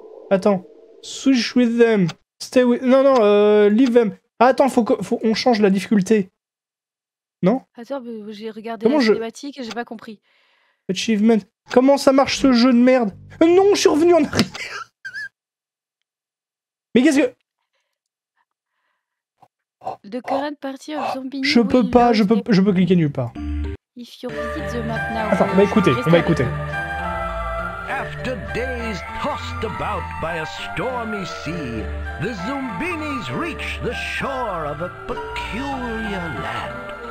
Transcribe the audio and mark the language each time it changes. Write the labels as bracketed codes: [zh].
[fr] Attends. [en] Switch with them. Stay with... [fr] Non, [en] leave them. [fr] Ah, attends, faut on change la difficulté. Non ? Attends, j'ai regardé comment la cinématique et j'ai pas compris. [en] Achievement. [fr] Comment ça marche ce jeu de merde ? Non, je suis revenu en arrière. Mais qu'est-ce que... [en] The current party of zombie. [fr] Je peux pas, je peux cliquer nulle part. [en] If you visit the map now. [fr] Attends, on va écouter. [en] After days tossed about by a stormy sea, the Zumbinis reach the shore of a peculiar land.